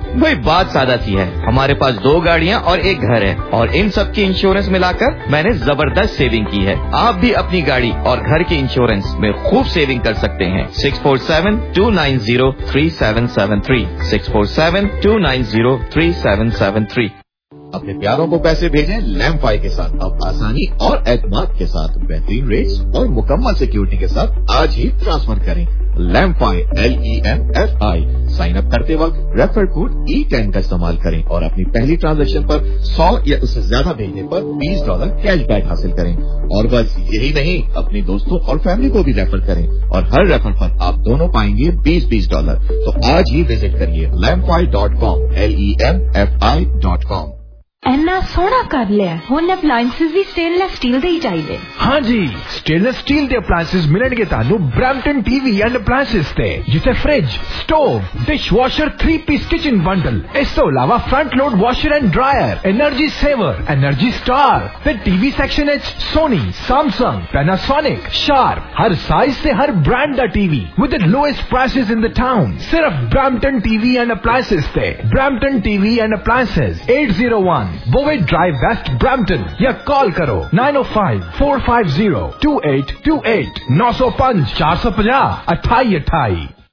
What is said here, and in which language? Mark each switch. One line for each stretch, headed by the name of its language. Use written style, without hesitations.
Hindi: ਕੋਈ ਬਾਤ ਸਾਦਾ ਸੀ ਹੈ ਹਮਾਰੇ ਪਾਸ ਦੋ ਗਾੜੀਆਂ ਔਰ ਇੱਕ ਘਰ ਹੈ ਔਰ ਇਨ ਸਭ ਕੀ ਇੰਸ਼ੋਰੈਂਸ ਮਿਲਾ ਕਰ ਮੈਨੇ ਜ਼ਬਰਦਸਤ ਸੇਵਿੰਗ ਕੀ ਹੈ ਆਪ ਵੀ ਆਪਣੀ ਗਾੜੀ ਔਰ ਘਰ ਕੀ ਇੰਸ਼ੋਰੈਂਸ ਮੈਂ ਖੂਬ ਸੇਵਿੰਗ ਕਰ ਸਕਤੇ ਹੈ 647-290-3773 647-290-3773 अपने प्यारों को पैसे भेजें लैम्पफाई के साथ अब आसानी और एतमाद के साथ बेहतरीन रेट्स और मुकम्मल सिक्योरिटी के साथ आज ही ट्रांसफर करें लैम्पफाई LEMFI साइन अप करते वक्त रेफर कोड E10 का इस्तेमाल करें और अपनी पहली ट्रांजैक्शन पर 100 या उससे ज्यादा भेजने पर $20 कैशबैक हासिल करें और बस यही नहीं अपने दोस्तों और फैमिली को भी रेफर करें और हर रेफर पर आप दोनों पाएंगे $20-$20 तो आज ही विजिट करिए LEMFI.com LEMFI.com
Punjabi: ਇੰਨਾ ਸੋਹਣਾ ਕਰ ਲਿਆ ਹੁਣ ਅਪਲਾਇੰਸਿਸ ਵੀ ਸਟੇਨਲੈਸ ਸਟੀਲ ਦੇ ਹੀ ਚਾਹੀਦੇ ਹਾਂਜੀ ਸਟੇਨਲੈਸ ਸਟੀਲ ਦੇ ਅਪਲਾਇੰਸਿਸ ਮਿਲਣਗੇ ਤੁਹਾਨੂੰ ਬ੍ਰੈਂਪਟਨ ਟੀਵੀ ਐਂਡ ਅਪਲਾਇੰਸਿਸ ਤੇ ਜਿੱਥੇ fridge stove dish washer 3-ਪੀਸ kitchen bundle ਇਸ ਤੋਂ ਇਲਾਵਾ front load washer and dryer energy saver energy star ਤੇ ਟੀਵੀ ਸੈਕਸ਼ਨ ਵਿੱਚ ਸੋਨੀ ਸੈਮਸੰਗ ਪੈਨਾਸੋਨਿਕ ਸ਼ਾਰਪ ਹਰ ਸਾਈਜ਼ ਤੇ ਹਰ brand ਦਾ TV
English: with the lowest prices in the town
Punjabi: ਸਿਰਫ Brampton TV and appliances ਤੇ Brampton TV and appliances 801 Bowie Drive West Brampton ya call karo 905-450-2828 905-450-2828